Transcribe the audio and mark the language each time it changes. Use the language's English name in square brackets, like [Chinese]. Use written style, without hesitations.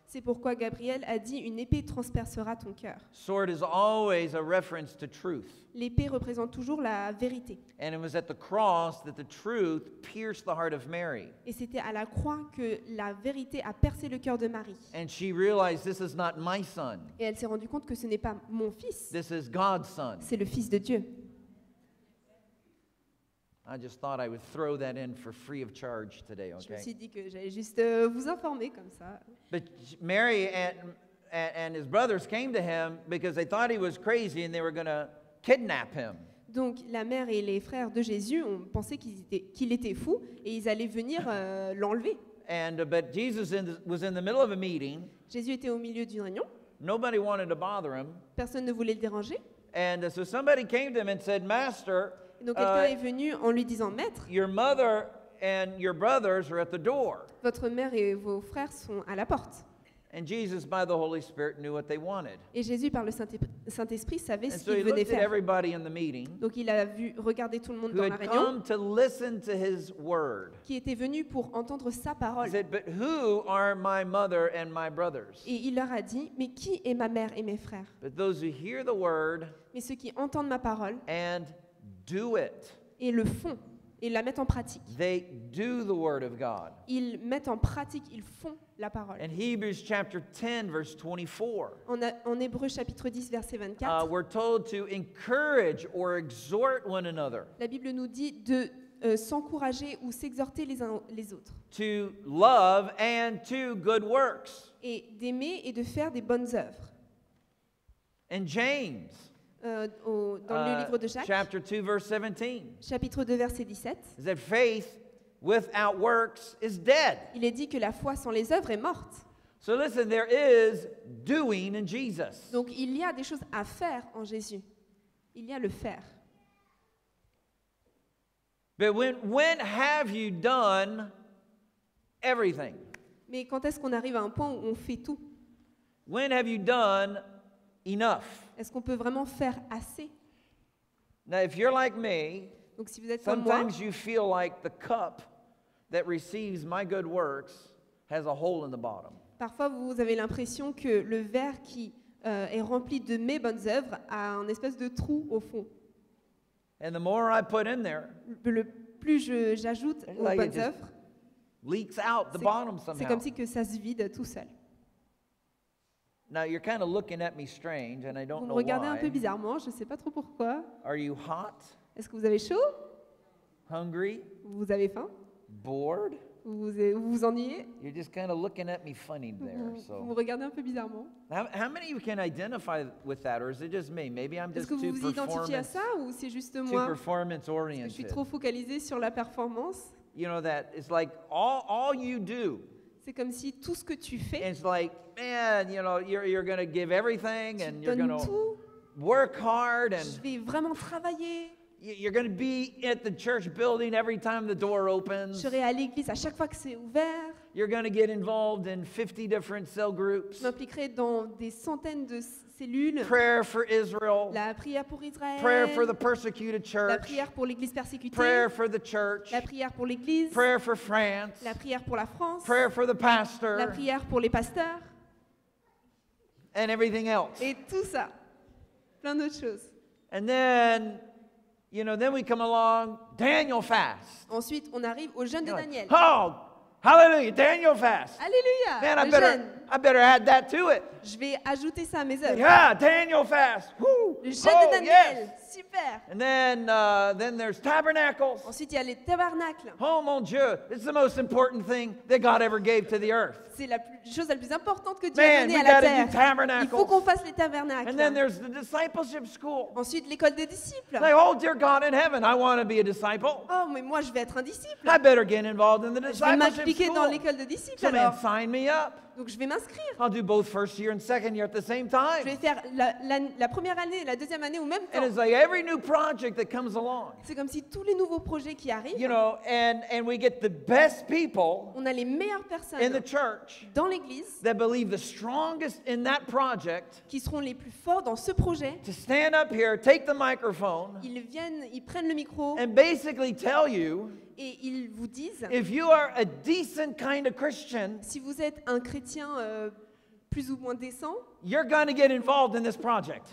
[French] C'est pourquoi Gabriel a dit une épée transpercera ton cœur. [English] Sword is always a reference to truth. [French] L'épée représente toujours la vérité. [English] And it was at the cross that the truth pierced the heart of Mary. [French] Et c'était à la croix que la vérité a percé le cœur de Marie. [English] And she realized this is not my son. [French] Et elle s'est rendue compte que ce n'est pas mon fils. [English] This is God's son. [French] C'est le fils de Dieu. [English] I just thought I would throw that in for free of charge today, okay? [French] Je me suis dit que j'allais juste vous informer comme ça. [English] But Mary and his brothers came to him because they thought he was crazy and they were going to kidnap him. [French] Donc la mère et les frères de Jésus ont pensé qu'il était fou et ils allaient venir l'enlever. [English] But Jesus was in the middle of a meeting. [French] Jésus était au milieu d'une réunion. [English] Nobody wanted to bother him. [French] Personne ne voulait le déranger. [English] And so somebody came to him and said, "Master." [French] Donc quelqu'un est venu en lui disant, Maître. [English] Your mother and your brothers are at the door. [French] Votre mère et vos frères sont à la porte. [English] And Jesus, by the Holy Spirit, knew what they wanted. [French] Et Jésus, par le Saint-Esprit, savait ce qu'il venait faire. [English] Everybody in the meeting. [French] Donc il a vu, regardé tout le monde dans la réunion. [English] Who had come to listen to his word. [French] Qui était venu pour entendre sa parole. [English] He said, "But who are my mother and my brothers?" [French] Et il leur a dit, mais qui est ma mère et mes frères? [English] But those who hear the word. [French] Mais ceux qui entendent ma parole. [English] And do it. [French] Et le font. Ils la mettent en pratique. [English] They do the word of God. [French] Ils mettent en pratique, ils font la parole. [English] In Hebrews chapter 10, verse 24. [French] En Hébreux chapitre 10, verset 24. [English] We're told to encourage or exhort one another. [French] La Bible nous dit de s'encourager ou s'exhorter les uns les autres. [English] To love and to good works. [French] Et d'aimer et de faire des bonnes œuvres. [English] And James. [French] Dans le livre de Jacques, [English] chapter 2, verse 17. [French] Chapitre 2, verset 17. [English] Is that faith without works is dead. [French] Il est dit que la foi sans les œuvres est morte. [English] So listen, there is doing in Jesus. [French] Donc il y a des choses à faire en Jésus. Il y a le faire. [English] But when have you done everything? [French] Mais quand est-ce qu'on arrive à un point où on fait tout? [English] When have you done enough? [French] Est-ce qu'on peut vraiment faire assez? [English] Now, if you're like me, [French] donc, si vous êtes [English] sometimes [French] comme moi, [English] you feel like the cup that receives my good works has a hole in the bottom. [French] Parfois, vous avez l'impression que le verre qui est rempli de mes bonnes œuvres a un espèce de trou au fond. [English] And the more I put in there, [French] le plus j'ajoute aux [English] like [French] bonnes œuvres, [English] leaks out the bottom somehow. [French] C'est comme si que ça se vide tout seul. [English] Now you're kind of looking at me strange, and I don't know why. [French] Regardez un peu bizarrement, je sais pas trop pourquoi. [English] Are you hot? [French] Est-ce que vous avez chaud? [English] Hungry? [French] Vous avez faim? [English] Bored? [French] Vous ennuyez? [English] You're just kind of looking at me funny there. [French] Vous regardez un peu bizarrement. [English] How many of you can identify with that, or is it just me? Maybe I'm just too performance. [French] Est-ce que vous vous identifiez à ça, ou c'est juste moi? [English] Too performance oriented. [French] Je suis trop focalisé sur la performance. [English] You know that it's like all you do. [French] C'est comme si tout ce que tu fais, [English] it's like, man, you know, you're going to give everything and you're going to work hard and [French] je vais vraiment travailler. [English] You're going to be at the church building every time the door opens. [French] Je serai à l'église à chaque fois que c'est ouvert. [English] You're going to get involved in 50 different cell groups. [French] Je m'impliquerai dans des centaines de cellules. [English] Prayer for Israel. [French] La prière pour Israël. [English] Prayer for the persecuted church. [French] La prière pour l'église persécutée. [English] Prayer for the church. [French] La prière pour l'église. [English] Prayer for France. [French] La prière pour la France. [English] Prayer for the pastor. [French] La prière pour les pasteurs. [English] And everything else. [French] Et tout ça. Plein d'autres choses. [English] And then, you know, then we come along, Daniel fast. [French] Ensuite, on arrive au jeûne de Daniel. [English] Oh, hallelujah, Daniel fast. Hallelujah. Man, I better add that to it. [French] Je vais ajouter ça à mes œuvres. [English] Yeah, Daniel fast. Woo. [French] Le jeûne de Daniel. [English] Yes. [French] Super. [English] And then there's tabernacles. [French] Ensuite, il y a les tabernacles. Oh mon Dieu, [English] it's the most important thing that God ever gave to the earth. [French] C'est la chose la plus importante que Dieu ait donnée à la terre. Il faut qu'on fasse les tabernacles. [English] And then there's the discipleship school. [French] Ensuite, l'école des disciples. [English] Like, oh dear God in heaven, I want to be a disciple. [French] Oh mais moi je vais être un disciple. [English] I better get involved in the discipleship school. [French] Je vais m'impliquer dans l'école des disciples. [English] So, man, sign me up. [French] Donc je vais m'inscrire. [English] I'll do both first year and second year at the same time. [French] Je vais faire la première année, la deuxième année au même temps. [English] And it's like every new project that comes along. [French] C'est comme si tous les nouveaux projets qui arrivent. [English] You know, and we get the best people. [French] On a les meilleures personnes [English] in the church. [French] Dans l'église. [English] That believe the strongest in that project. [French] Qui seront les plus forts dans ce projet. [English] To stand up here, take the microphone. [French] Ils viennent, ils prennent le micro. [English] And basically tell you. [French] Et ils vous disent, [English] if you are a decent kind of Christian, [French] si vous êtes un chrétien plus ou moins décent, [English] you're going to get involved in this project.